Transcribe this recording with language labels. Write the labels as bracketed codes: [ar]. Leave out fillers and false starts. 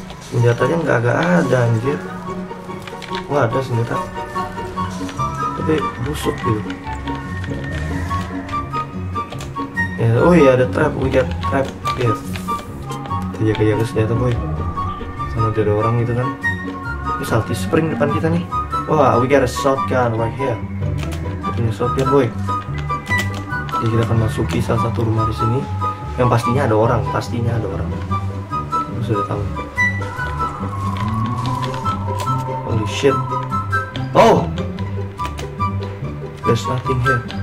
[id] Senjatanya gak agak ada anjir. Wah ada senjata. Tapi busuk gitu. Ya, oh iya ada trap, [en] we got trap. [id] Yes. Kita jaga-jaga ke senjata boy. Sama dia ada orang gitu kan. Ini salty spring depan kita nih. [en] Wah, we got a shotgun right here. [id] Ini shotgun boy. Jadi kita akan masuki salah satu rumah di sini. Yang pastinya ada orang, pastinya ada orang. Aku sudah tahu. [en] Holy shit. Oh! There's nothing here.